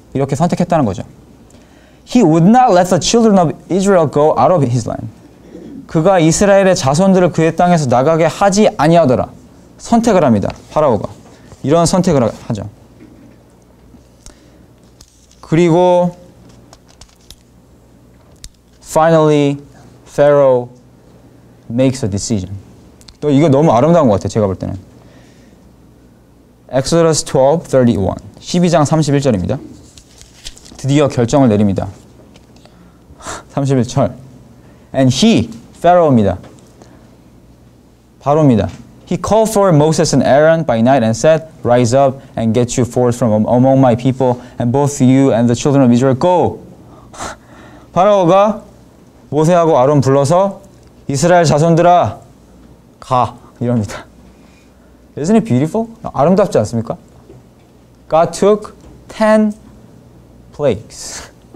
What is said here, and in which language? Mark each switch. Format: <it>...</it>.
<ko>이렇게 선택했다는 거죠.</ko> <en>He would not let the children of Israel go out of his land.</en> <ko>그가 이스라엘의 자손들을 그의 땅에서 나가게 하지 아니하더라. 선택을 합니다. 파라오가. 이런 선택을 하죠. 그리고</ko> <en>finally Pharaoh makes a decision.</en> <ko>또 이거 너무 아름다운 것 같아요. 제가 볼 때는. Exodus 12:31. 12장 31절입니다. 드디어 결정을 내립니다. 31절.</ko> <en>And he,</en> <ko>Pharaoh입니다. 바로입니다.</ko> <en>He called for Moses and Aaron by night and said, Rise up and get you forth from among my people and both you and the children of Israel. Go!</en> <ko>파라오가 모세하고 아론 불러서 이스라엘 자손들아, 가! 이럽니다.</ko> <en>Isn't it beautiful?</en> <ko>아름답지 않습니까?</ko> <en>God took 10 plagues.</en>